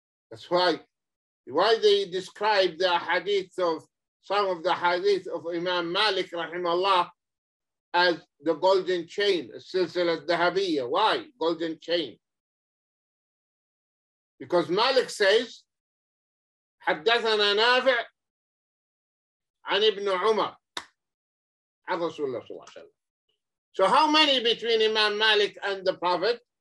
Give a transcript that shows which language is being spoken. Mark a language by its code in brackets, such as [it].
[en] That's why they describe the hadith of some of the hadith of Imam Malik, rahimahullah, as the golden chain, silsila dhahabiyya. Why golden chain? Because Malik says, [ar] حَدَّثَنَا نَافِعٌ عَنِ ابْنُ عُمَرٍ عَنْ رَسُولَ اللَّهِ صَلَّى اللَّهُ عَلَيْهِ وَسَلَّمَ. [en] So how many between Imam Malik and the Prophet?